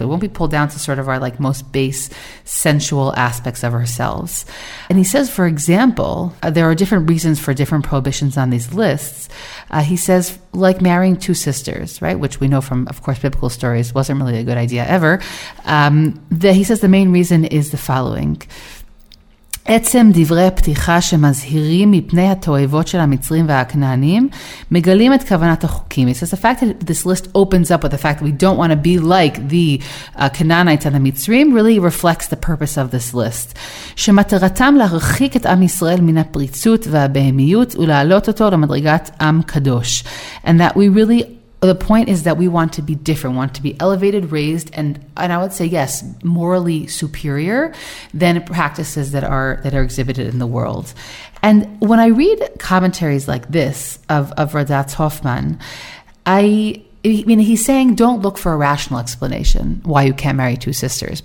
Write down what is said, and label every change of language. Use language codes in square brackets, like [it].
[en] It won't be pulled down to sort of our like most base sensual aspects of ourselves. And he says, for example, there are different reasons for different prohibitions on these lists. He says, like marrying two sisters, right, which we know from, of course, biblical stories wasn't really a good idea ever. He says the main reason is the following. [he] עצם דברי הפתיחה שמזהירים מפני התועבות של המצרים והכנענים מגלים את כוונת החוקים. [en] It says the fact that this list opens up with the fact that we don't want to be like the Canaanites and the Mitzrim really reflects the purpose of this list. [he] שמטרתם להרחיק את עם ישראל מן הפריצות והבהמיות ולהעלות אותו למדרגת עם קדוש. [en] And that we really, the point is that we want to be different, want to be elevated, raised, and I would say, yes, morally superior than practices that are exhibited in the world. And when I read commentaries like this of Radatz Hoffman, I mean, he's saying don't look for a rational explanation why you can't marry two sisters.